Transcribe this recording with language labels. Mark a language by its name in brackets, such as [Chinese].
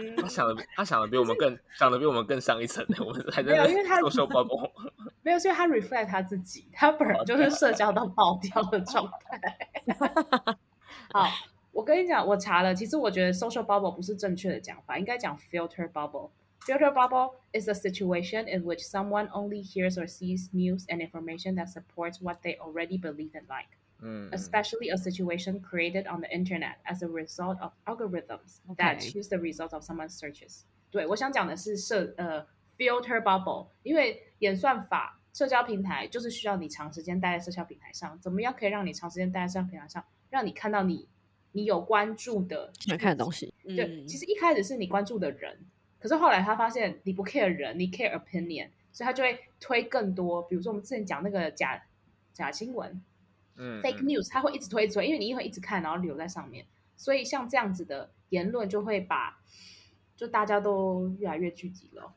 [Chinese] 他想的比我们更想的比我们更上一层，我们还在没有，因为他 [English] social bubble [Chinese] 没有，所以他 reflect 他自己，他本人就是社交到爆掉的状态。好，我跟你讲，我查了，其实我觉得 social bubble 不是正确的讲法，应该讲 filter bubble。 [English] Filter bubble is a situation in which someone only hears or sees news and information that supports what they already believe and like. Especially a situation created on the internet as a result of algorithms that choose the results of someone's searches. [Chinese] 对，我想讲的是filter bubble， 因为演算法社交平台就是需要你长时间待在社交平台上，怎么样可以让你长时间待在社交平台上，让你看到你有关注的想看的东西。对，其实一开始是你关注的人，可是后来他发现你不 care 人，你 care opinion， 所以他就会推更多，比如说我们之前讲那个假新闻，fake news， 他会一直推一推，因为你会一直看然后留在上面，所以像这样子的言论就会把就大家都越来越聚集了。